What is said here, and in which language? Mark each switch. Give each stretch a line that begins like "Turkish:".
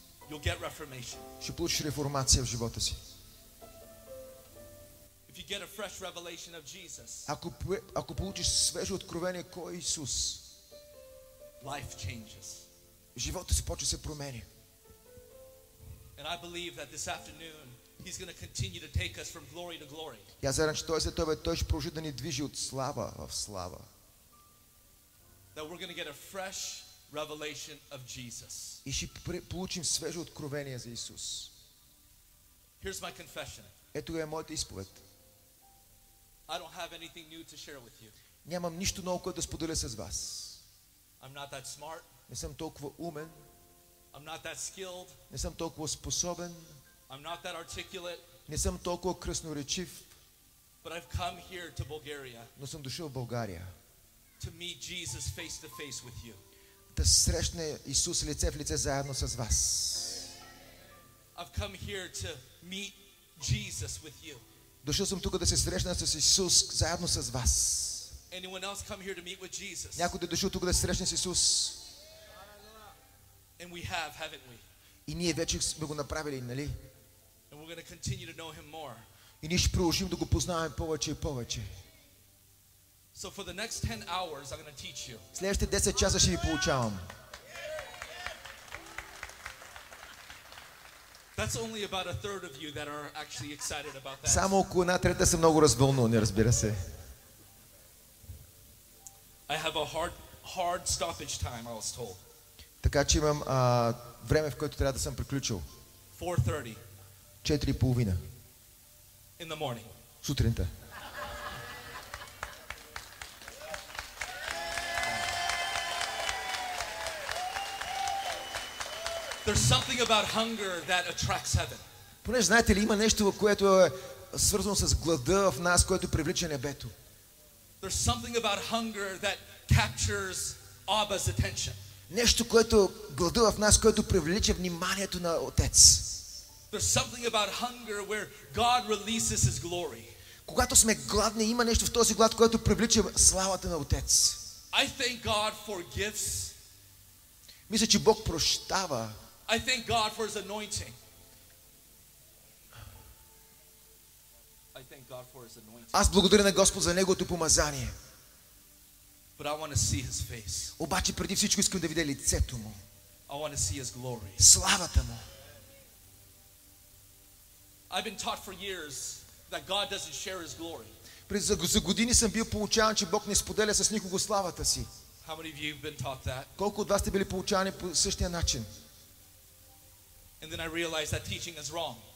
English: you'll get reformation.
Bulgarian: Ще получиш реформация в живота си.
English: If you get a fresh revelation of Jesus,
Bulgarian: ако получиш свежо откровение кой е Исус,
English: life changes.
Bulgarian: Живота си почва да се променя.
English: And I believe that this afternoon he's going to continue to take us from glory to glory.
Bulgarian: Я зарам, че той след той ще продължи да ни движи от слава в слава.
English: That we're going to get a fresh revelation of Jesus.
Bulgarian: И ще получим свежо откровение за Исус.
English: Here's my confession.
Bulgarian: Ето е моята изповед.
English: I don't have anything new to share with you.
Bulgarian: Нямам нищо ново, което да споделя с вас.
English: I'm not that smart.
Bulgarian: Не съм толкова умен.
English: I'm not that skilled.
Bulgarian: Не съм толкова способен.
English: I'm not that articulate.
Bulgarian: Не съм толкова красноречив.
English: But I've come here to Bulgaria.
Bulgarian: Но съм дошъл в България.
English: To meet Jesus face to face with you.
Bulgarian: Да срещна Исус лице в лице заедно с вас.
English: I've come here to meet Jesus with you.
Bulgarian: Дошъл съм тук да се срещна с Исус заедно с вас.
English: Anyone else come here to meet with Jesus?
Bulgarian: Някой да дошъл тук да се срещне с Исус.
English: And we have, haven't we?
Bulgarian: И ние вече сме го направили, нали?
English: And we're going to continue to know him more.
Bulgarian: И ние ще продължим да го познаваме повече и повече.
English: So for the next 10 hours I'm going to teach you.
Bulgarian: Следващите 10 часа ще ви получавам.
English: That's only about a third of you that are actually excited about that.
Bulgarian: Само около една трета са много развълнувани, разбира се.
English: I have a hard stoppage time, I was told.
Bulgarian: Така че имам време, в което трябва да съм приключил.
English: 4:30.
Bulgarian: 4:30.
English: In the morning.
Bulgarian: Сутринта.
English: There's something about hunger that attracts heaven.
Bulgarian: Понеже знаете ли, има нещо, което е свързано с глада в нас, което привлича небето.
English: There's something about hunger that captures Abba's attention.
Bulgarian: Нещо, което глада в нас, което привлича вниманието на Отец.
English: There's something about hunger where God releases his glory.
Bulgarian: Когато сме гладни, има нещо в този глад, което привлича славата на Отец.
English: I thank God for gifts.
Bulgarian: Мисля, че Бог прощава.
English: I thank God for his anointing. I thank God for his anointing.
Bulgarian: Аз благодаря на Господ за неговото помазание.
English: But I want to see his face.
Bulgarian: Обаче преди всичко искам да видя лицето му.
English: I want to see his glory.
Bulgarian: Славата му.
English: I've been taught for years that God doesn't share his glory.
Bulgarian: За години съм бил поучаван, че Бог не споделя с никого славата си.
English: How many of you have been taught that?
Bulgarian: Колко от вас сте били поучавани по същия начин?
English: And then I realized that teaching is wrong.